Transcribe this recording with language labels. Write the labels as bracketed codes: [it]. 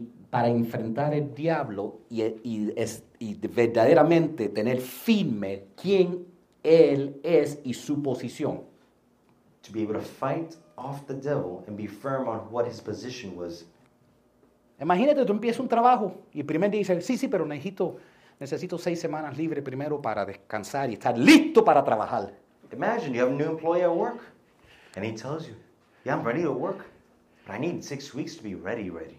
[es] Para enfrentar el diablo y verdaderamente tener firme quién él es y su posición. [en] To be able to fight off the devil and be firm on what his position was. [es] Imagínate, tú empiezas un trabajo y el primer día dices, sí, pero necesito 6 semanas libre primero para descansar y estar listo para trabajar. [en] Imagine, you have a new employee at work and he tells you, yeah, I'm ready to work, but I need 6 weeks to be ready.